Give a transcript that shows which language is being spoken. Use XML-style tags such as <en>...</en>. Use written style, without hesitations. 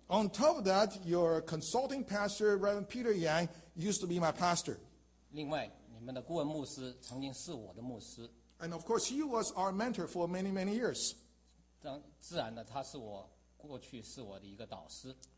<en>On top of that, your consulting pastor, Reverend Peter Yang, used to be my pastor.</en> <zh>另外，你们的顾问牧师曾经是我的牧师。</zh> <en>And of course, he was our mentor for many, many years.</en> <zh>自然的，他是我过去是我的一个导师。</zh>